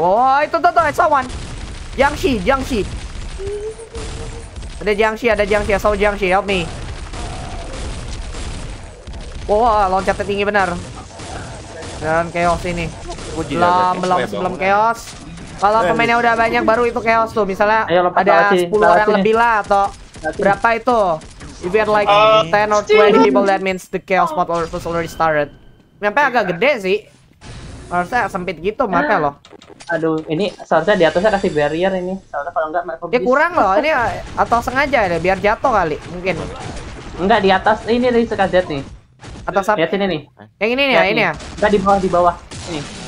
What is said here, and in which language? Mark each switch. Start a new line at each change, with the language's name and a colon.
English: Wow,
Indonesian: itu tuh
English: I saw one. Jiangxi.
Indonesian: Ada
English: Jiangxi, saw Jiangxi, help me.
Indonesian: Wow, loncatnya tinggi benar. Dan chaos ini. Belum chaos. Kalau pemainnya udah banyak baru itu chaos tuh. Misalnya ada 10 orang lebih lah atau berapa itu.
English: If we had like 10 or 20 people, that means the chaos mode was already started.
Indonesian: Mampai agak gede sih. Harusnya sempit gitu mapnya loh. Aduh, ini seharusnya di atasnya kasih barrier ini. Soalnya kalau enggak mereka bisa. Ya kurang loh, ini atau sengaja ya biar jatuh kali mungkin. Enggak, di atas ini sekaget nih. atas apa? Lihat sini nih. Yang ini nih, ya, ini ya. Enggak, di bawah, di bawah. Ini.